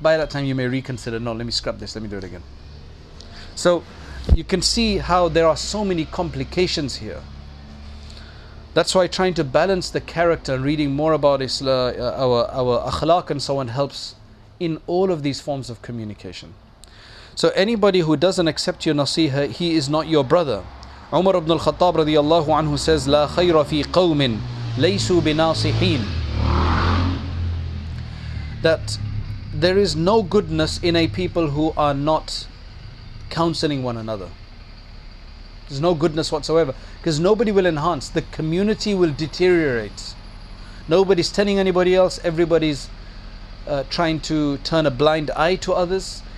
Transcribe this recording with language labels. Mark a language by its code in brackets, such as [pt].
[en] By that time you may reconsider, no, let me scrap this, let me do it again. So you can see how there are so many complications here. That's why trying to balance the character and reading more about Islam, our akhlaq and so on, helps in all of these forms of communication. So anybody who doesn't accept your nasiha, he is not your brother. Umar ibn al-Khattab radiallahu anhu says, [ar] لا خير في قوم ليسوا بناصحين. [en] That there is no goodness in a people who are not counseling one another. There's no goodness whatsoever. Because nobody will enhance. The community will deteriorate. Nobody's telling anybody else. Everybody's trying to turn a blind eye to others.